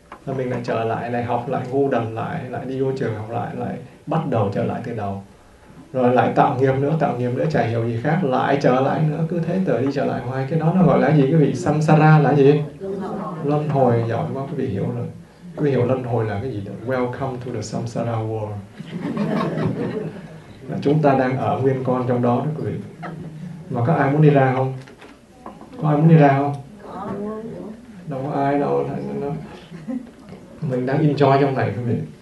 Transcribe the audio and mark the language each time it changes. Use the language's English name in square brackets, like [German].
[Vietnamese] Là mình lại trở lại, lại học lại, ngu đần lại, lại đi vô trường học lại, lại bắt đầu trở lại từ đầu. Rồi lại tạo nghiệp nữa, chả hiểu gì khác, lại trở lại nữa, cứ thế tự đi trở lại hoài. Cái đó nó gọi là gì quý vị? Samsara là gì? Luân hồi, giỏi quá, quý vị hiểu rồi. Quý vị hiểu luân hồi là cái gì? [English] Welcome to the Samsara world. [Vietnamese] Chúng ta đang ở nguyên con trong đó đó quý vị. Mà có ai muốn đi ra không? Có ai muốn đi ra không? Đâu có ai đâu, mình đang enjoy trong này quý vị.